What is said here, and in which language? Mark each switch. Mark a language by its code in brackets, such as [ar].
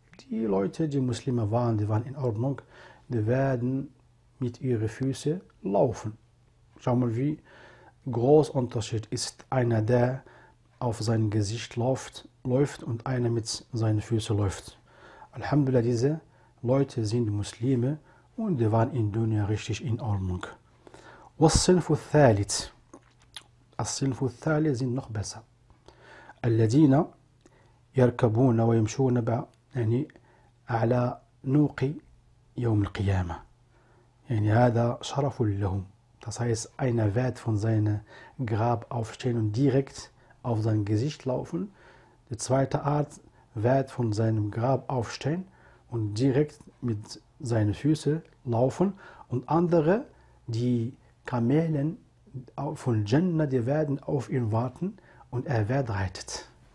[de] Die Leute, die Muslime waren, die waren in Ordnung, die werden mit ihren Füßen laufen. Schau mal, wie groß Unterschied ist einer, der auf sein Gesicht läuft und einer mit seinen Füßen läuft. Alhamdulillah, diese Leute sind Muslime und die waren in Dunya richtig in Ordnung. [ar] والصنف الثالث الصنف الثالث [de] sind noch besser. [ar] الذين يركبون ويمشون يعني على نوق يوم القيامة. يعني هذا شرف لهم. [de] Das heißt, einer wird von seinem Grab aufstehen und direkt auf sein Gesicht laufen. Die zweite Art wird von seinem Grab aufstehen und direkt mit seinen Füßen laufen. Und andere, die Kamelen von Jannah, die werden auf ihn warten und er wird reitet.